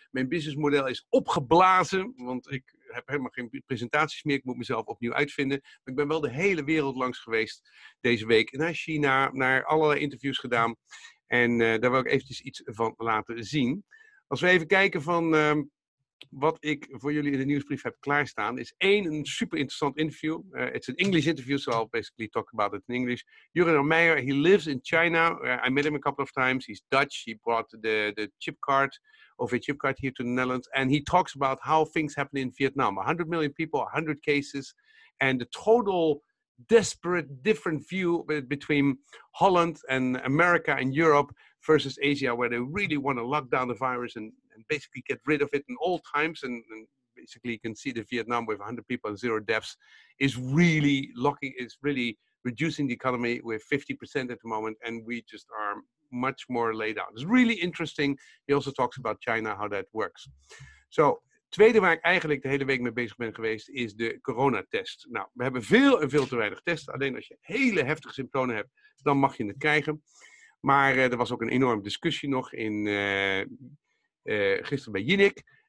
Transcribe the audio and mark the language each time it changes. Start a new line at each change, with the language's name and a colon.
Dutch: Mijn businessmodel is opgeblazen, want ik heb helemaal geen presentaties meer. Ik moet mezelf opnieuw uitvinden. Maar ik ben wel de hele wereld langs geweest deze week. Naar China, naar allerlei interviews gedaan. En daar wil ik eventjes iets van laten zien. Als we even kijken van wat ik voor jullie in de nieuwsbrief heb klaarstaan, is één, een super interessant interview.
English: It's an English interview, so I'll basically talk about it in English. Jurgen Meijer, he lives in China. I met him a couple of times. He's Dutch. He brought the chip card, over a chip card here to the Netherlands. And he talks about how things happen in Vietnam. 100 million people, 100 cases. And the total desperate different view between Holland and America and Europe versus Asia, where they really want to lock down the virus and basically get rid of it in all times. And basically you can see the Vietnam with 100 people and zero deaths is really reducing the economy with 50% at the moment. And we just are much more laid out. It's really interesting. He also talks about China, how that works.
Dutch: So, tweede waar ik eigenlijk de hele week mee bezig ben geweest, is de coronatest. Nou, we hebben veel en veel te weinig testen. Alleen als je hele heftige symptomen hebt, dan mag je het krijgen. Maar er was ook een enorme discussie nog in gisteren bij Jinek.